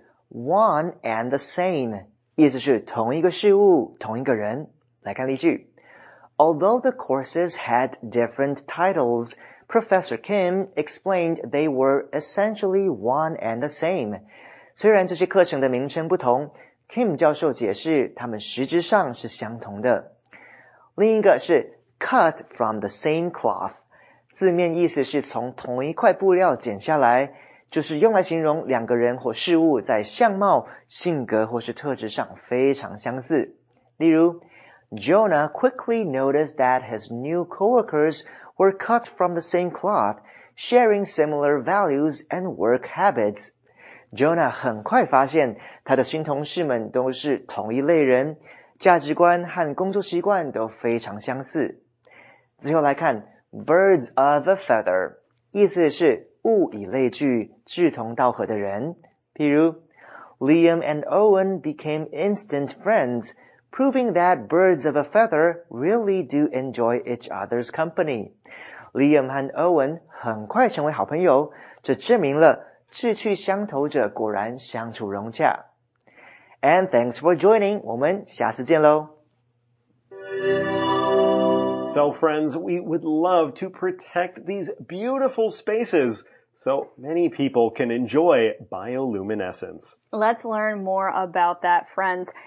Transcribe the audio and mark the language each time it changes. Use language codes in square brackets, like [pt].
[en] One and the same, [zh] 意思是同一个事物，同一个人。来看例句。 [en] Although the courses had different titles, Professor Kim explained they were essentially one and the same. [zh] 虽然这些课程的名称不同， Kim 教授解释他们实质上是相同的。另一个是 [en] cut from the same cloth, [zh] 字面意思是从同一块布料剪下来，就是用来形容两个人或事物在相貌、性格或是特质上非常相似。例如 [en] Jonah quickly noticed that his new co-workers were cut from the same cloth, sharing similar values and work habits. [zh] Jonah 很快发现他的新同事们都是同一类人，价值观和工作习惯都非常相似。最后来看 [en] birds of a feather, [zh] 意思是物以类聚，志同道合的人。譬如 [en] Liam and Owen became instant friends,proving that birds of a feather really do enjoy each other's company. [zh] Liam 和 Owen 很快成为好朋友，这证明了志趣相投者果然相处融洽。 [en] And thanks for joining, [zh] 我们下次见咯。 [en] So friends, we would love to protect these beautiful spaces so many people can enjoy bioluminescence. Let's learn more about that, friends.